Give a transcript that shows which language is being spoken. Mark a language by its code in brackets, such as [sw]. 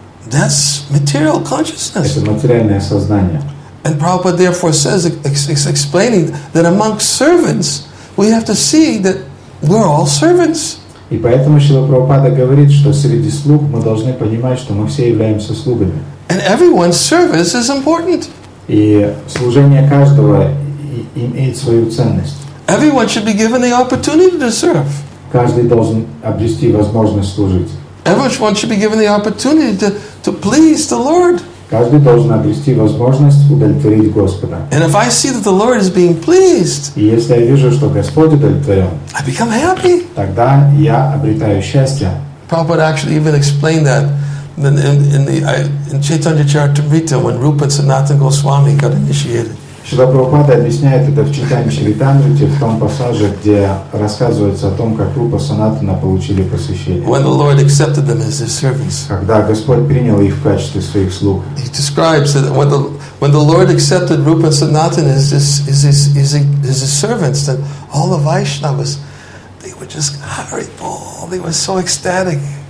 [en] That's material consciousness. [ru] Это материальное сознание. [en] And Prabhupada therefore says, explaining that amongst servants, we have to see that we're all servants. [ru] И поэтому Шрила Прабхупада говорит, что среди слуг мы должны понимать, что мы все являемся слугами. [en] And everyone's service is important. [ru] И служение каждого имеет свою ценность. [en] Everyone should be given the opportunity to serve. [ru] Каждый должен обрести возможность служить. [en] Everyone should be given the opportunity to please the Lord. [ru] Каждый должен обрести возможность удовлетворить Господа. [en] And if I see that the Lord is being pleased, [ru] и если я вижу, что Господь удовлетворен, [en] I become happy. [ru] Тогда я обретаю счастье. [en] Prabhupada actually even explained that in Chaitanya Charitamrita when Rupa Sanatana Goswami got initiated. [ru] Шрила Прабхупада объясняет это в Чайтанья Чаритамрите, в том пассаже, где рассказывается о том, как Рупа Санатана получили посвящение. [en] When the Lord accepted them as his servants. [ru] Когда Господь принял их в качестве своих слуг. [en] He describes that when the Lord accepted Rupa Sanatana as his servants, that all the Vaishnavas, they were just hurry ball, they were so ecstatic.